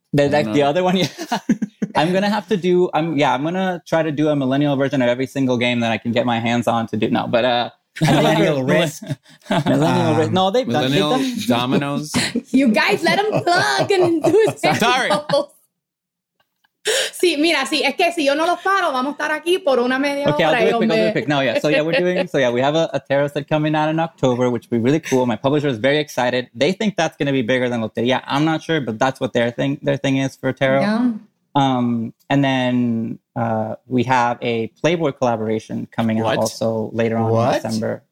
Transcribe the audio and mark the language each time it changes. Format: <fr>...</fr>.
<en>The other one. Yeah. I'm going to try to do a Millennial version of every single game that I can get my hands on to do. No, but Millennial Risk. Millennial Risk. No, they've done Millennial Dominoes. You guys let him plug and do his tarot. Sorry.</en> <es>Sí, mira, sí, es que si yo no lo paro, vamos a estar aquí por una media</es> <en>okay,</en> <es>hora.</es> <en>Okay, I'll do a pick. No, yeah, so yeah, we're doing, so yeah, we have a tarot set coming out in October, which will be really cool. My publisher is very excited. They think that's going to be bigger than Loteria. Yeah, I'm not sure, but that's what their thing is for tarot. Yeah. And then we have a Playboy collaboration coming out also later on in December.</en>